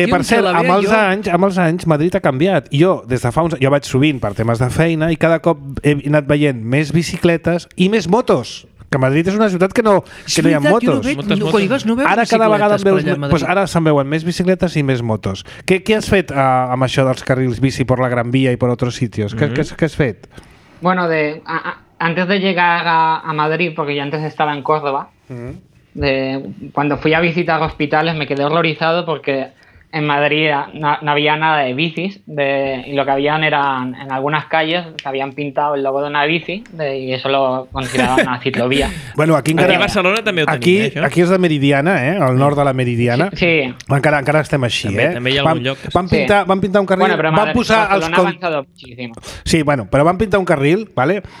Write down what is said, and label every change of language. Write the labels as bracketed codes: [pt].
[ca] Que, per cert, amb els anys Madrid ha canviat. Jo, des de fa uns anys, jo vaig sovint per temes de feina i cada cop he anat veient més bicicletes i més motos. Que Madrid és una ciutat que no hi ha motos. Ara cada vegada en veus, pues ara se'n veuen més bicicletes i més motos. Què has fet amb això dels carrils bici per la Gran Via i per altres sitios? Què has fet? [es] Bueno, antes de llegar a Madrid, porque yo antes estaba en Córdoba, cuando fui a visitar hospitales me quedé horrorizado porque en Madrid no había nada de bicis, y lo que habían eran, en algunas calles, se habían pintado el logo de una bici y eso lo consideraban una ciclovía. Bueno, aquí [ca] a Barcelona també ho tenim, això. Aquí és la Meridiana, al nord de la Meridiana. Sí. Encara estem així, també, eh? També hi ha algun lloc. Van pintar un carril... Bueno, però Barcelona ha avançat moltíssim. Sí, bueno, però van pintar un carril, ¿vale?